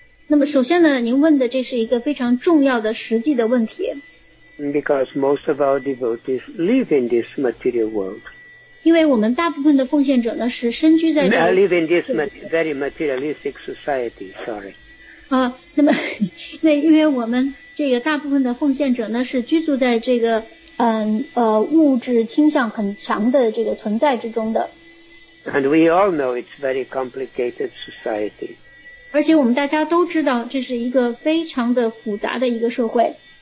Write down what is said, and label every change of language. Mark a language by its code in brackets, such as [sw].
[zh] 那么首先呢，您问的这是一个非常重要的实际的问题。 [en] Because most of our devotees live in this material world. [zh] 因为我们大部分的奉献者呢是身居在这个。 [en] I live in this very materialistic society. Sorry. [zh] 那么那因为我们这个大部分的奉献者呢是居住在这个物质倾向很强的这个存在之中的。 [en] And we all know it's very complicated society. [zh] 而且我们大家都知道这是一个非常的复杂的一个社会。